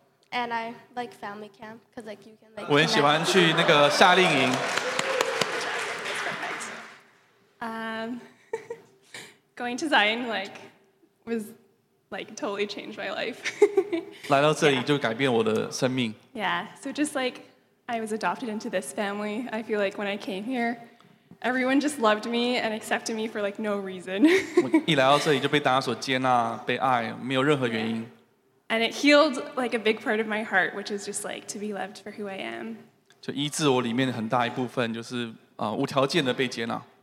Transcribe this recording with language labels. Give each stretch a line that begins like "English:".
English: And I like family camp because like you can like.
Chinese: 我很喜欢去那个夏令营.
English: going to Zion like was like totally changed my life.
Chinese: 来到这里就改变我的生命.
English: Yeah, so just like I was adopted into this family. I feel like when I came here, everyone just loved me and accepted me for like no reason.
Chinese: 我一来到这里就被大家所接纳、被爱，没有任何原因。
English: And it healed like a big part of my heart, which is just like to be loved for who I am.
Chinese: 就医治我里面很大一部分，就是无条件的被接纳。